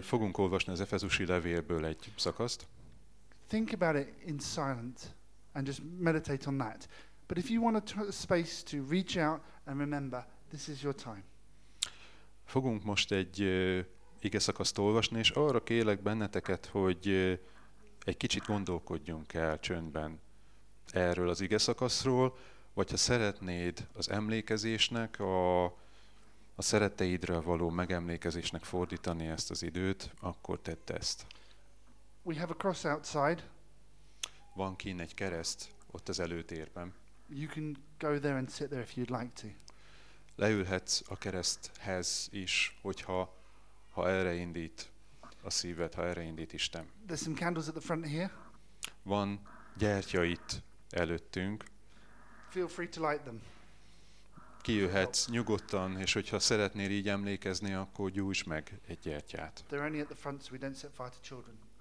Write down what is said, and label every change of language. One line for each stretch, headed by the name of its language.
Hungarian: Fogunk olvasni az Efezusi levélből egy szakaszt.
English: Think about it in silence and just meditate on that. But if you want a space to reach out and remember, this is your time.
Hungarian: Fogunk most egy ige szakaszt olvasni, és arra kérlek benneteket, hogy egy kicsit gondolkodjunk el csöndben erről az ige szakaszról. Vagy ha szeretnéd az emlékezésnek, a szeretteidről való megemlékezésnek fordítani ezt az időt, akkor tedd ezt.
English: We have a cross outside.
Hungarian: Van kint egy kereszt ott az előtérben.
English: You can go there and sit there if you'd like to.
Hungarian: Leülhetsz a kereszthez is, hogyha ha erre indít a szíved, ha erre indít Isten.
English: There's some candles at the front here.
Hungarian: Van gyertya itt előttünk.
English: Feel free to light them.
Hungarian: Kijöhetsz nyugodtan, és hogyha szeretnél így emlékezni, akkor gyújtsd meg egy gyertyát.
English: They're only at the front, so we don't set fire to children.